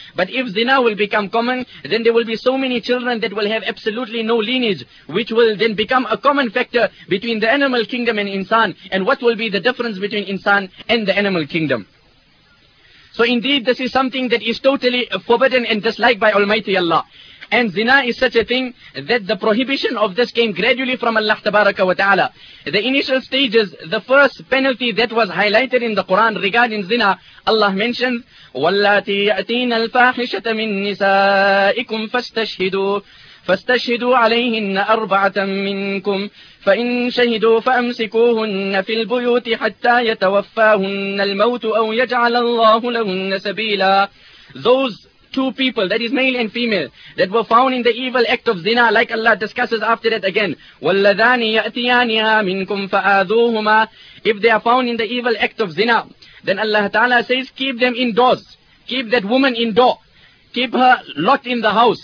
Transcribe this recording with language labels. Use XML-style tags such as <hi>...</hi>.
<en>But if zina will become common, then there will be so many children that will have absolutely no lineage, which will then become a common factor between the animal kingdom and insan. And what will be the difference between insan and the animal kingdom? So indeed, this is something that is totally forbidden and disliked by Almighty Allah. And zina is such a thing that the prohibition of this came gradually from Allah tabaraka wa ta'ala. The initial stages, the first penalty that was highlighted in the Quran regarding zina, Allah mentions,</en> <ar>وَاللَّاتِي يَأْتِينَ الْفَاحِشَةَ مِن نِسَائِكُمْ فَاسْتَشْهِدُوا عَلَيْهِنَّ أَرْبَعَةً مِّنْكُمْ فَإِنْ شَهِدُوا فَأَمْسِكُوهُنَّ فِي الْبُيُوتِ حَتَّى يَتَوَفَّاهُنَّ الْمَوْتُ أَوْ يَجْعَلَ اللَّهُ لَهُنَّ سَبِيلًا.</ar> <en>Those two people, that is male and female, that were found in the evil act of zina, like Allah discusses after that again,</en> <ar>وَالَّذَانِ يَأْتِيَانِهَا مِنْكُمْ فَآذُوهُمَا.</ar> <en>If they are found in the evil act of zina, then Allah Ta'ala says, keep them indoors. Keep that woman indoor. Keep her locked in the house.</en>